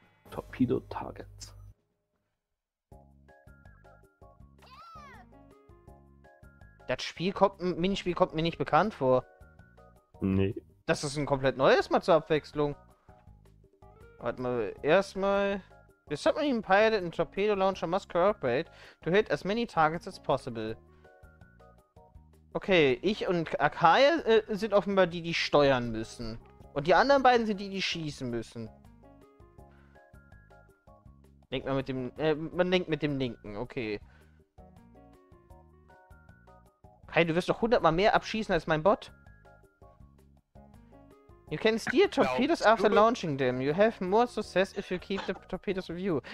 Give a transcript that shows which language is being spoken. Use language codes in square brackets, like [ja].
[en] Torpedo Targets. [de] Minispiel kommt mir nicht bekannt vor. Nee. Das ist ein komplett neues Mal zur Abwechslung. Warte mal, erstmal. [en] The Submarine Pilot and Torpedo Launcher must cooperate to hit as many targets as possible. [de] Okay, ich und Akai sind offenbar die steuern müssen. Und die anderen beiden sind die schießen müssen. Denkt mal mit dem. Man denkt mit dem Linken, okay. Kai, du wirst doch 100-mal mehr abschießen als mein Bot. [en] You can steer torpedoes after launching them. You have more success if you keep the torpedoes with you.